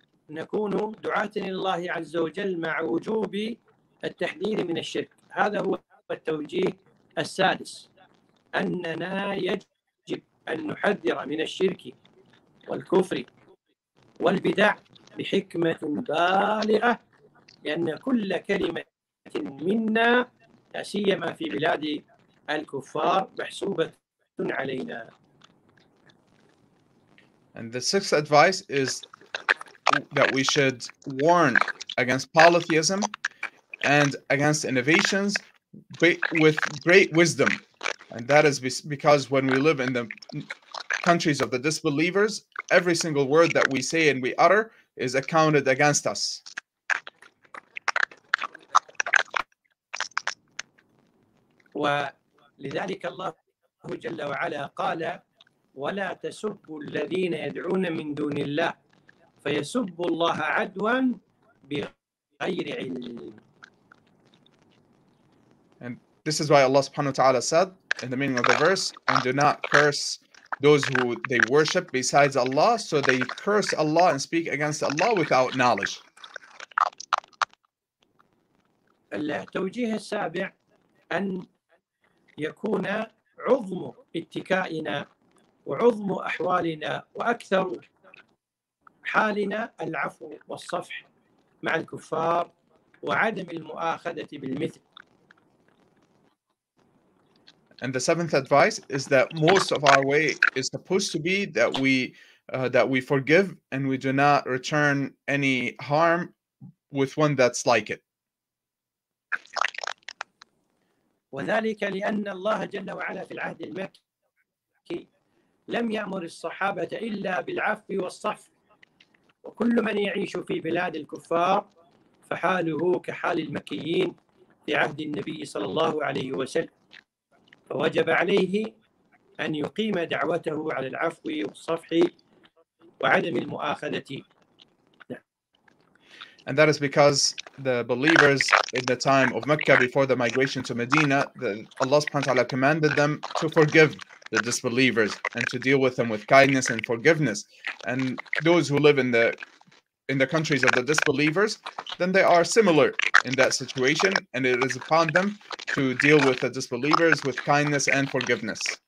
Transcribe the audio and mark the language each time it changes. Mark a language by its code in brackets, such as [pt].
[ar] نكون دعاة لله عز وجل مع وجوب التحذير من الشرك هذا هو التوجيه السادس أننا يجب أن نحذر من الشرك والكفر والبدع بحكمة بالغة لأن كل كلمة منا لا سيما في بلاد الكفار محسوبة علينا. [en] And the sixth advice is that we should warn against polytheism and against innovations with great wisdom. And that is because when we live in the countries of the disbelievers, every single word that we say and we utter is accounted against us. [ar] ولذلك الله جل وعلا قال ولا تسبوا الذين يدعون من دون الله فيسب الله عدوا بغير علم. [en] And this is why Allah subhanahu wa ta'ala said in the meaning of the verse, and do not curse those who they worship besides Allah, so they curse Allah and speak against Allah without knowledge. [ar] التوجيه السابع أن يكون عظم اتكائنا وعظم أحوالنا وأكثر حالنا العفو والصفح مع الكفار وعدم المؤاخذة بالمثل. [en] And the seventh advice is that most of our way is supposed to be that we forgive and we do not return any harm with one that's like it. [ar] وذلك لأن الله جل وعلا في العهد المكي لم يأمر الصحابة إلا بالعفو والصفح وكل من يعيش في بلاد الكفار فحاله كحال المكيين في عهد النبي صلى الله عليه وسلم فوجب عليه أن يقيم دعوته على العفو والصفح وعدم المؤاخذة. [en] And that is because the believers in the time of Mecca before the migration to Medina, Allah subhanahu wa ta'ala commanded them to forgive the disbelievers and to deal with them with kindness and forgiveness. And those who live in the countries of the disbelievers, then they are similar in that situation, and it is upon them to deal with the disbelievers with kindness and forgiveness.